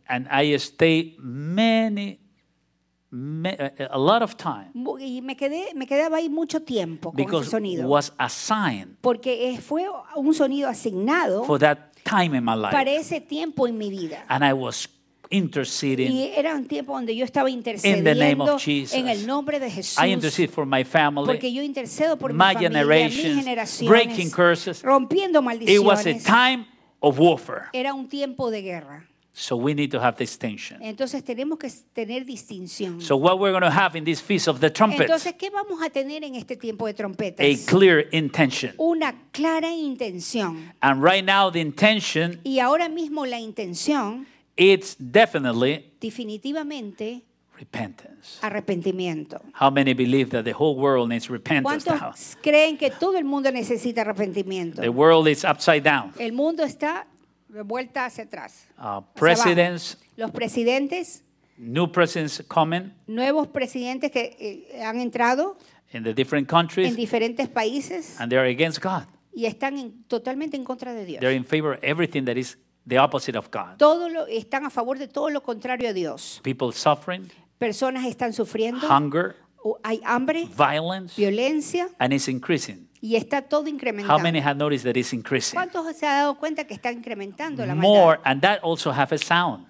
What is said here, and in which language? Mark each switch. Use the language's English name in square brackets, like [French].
[English] and I stayed many, a lot of time. [Spanish] Y me quedaba ahí mucho tiempo con ese sonido. [English] Because was assigned. [Spanish] Porque fue un sonido asignado. [English] For that time in my life. [Spanish] Para ese tiempo en mi vida. [English] And I was interceding. [Spanish] Y era un tiempo donde yo estaba intercediendo. [English] In the name of Jesus. [Spanish] En el nombre de Jesús. [English] I intercede for my family. [Spanish] Porque yo intercedo por [English] my generation. Breaking curses. [Spanish] Rompiendo maldiciones. [English] It was a time of warfare. [Spanish] Era un tiempo de guerra. [English] So we need to have distinction. [Spanish] Entonces tenemos que tener distinción. [English] So what we're going to have in this feast of the trumpets? [Spanish] Entonces qué vamos a tener en este tiempo de trompetas? [English] A clear intention. [Spanish] Una clara intención. [English] And right now the intention. [Spanish] Y ahora mismo la intención. [English] It's definitely. [Spanish] Definitivamente. [English] Repentance. [Spanish] Arrepentimiento. [English] How many believe that the whole world needs repentance now? [Spanish] ¿Cuántos creen que todo el mundo necesita arrepentimiento? [English] The world is upside down. [Spanish] El mundo está vuelta hacia atrás. [English] Presidents, [Spanish] los presidentes, [English] new presidents coming, [Spanish] nuevos presidentes que han entrado, [English] in the different countries, [Spanish] en diferentes países, [English] and they are against God. [Spanish] Y están totalmente en contra de Dios. [English] They're in favor of everything that is the opposite of God. [Spanish] Están a favor de todo lo contrario a Dios. [English] People suffering, [Spanish] personas están sufriendo, [English] hunger, [Spanish] hay hambre, [English] violence, [Spanish] violencia, [English] and it's increasing. [Spanish] Y está todo incrementando. [English] How many have noticed that it's increasing? [Spanish] ¿Cuántos se han dado cuenta que está incrementando la maldad? [English] More, and that also have a sound.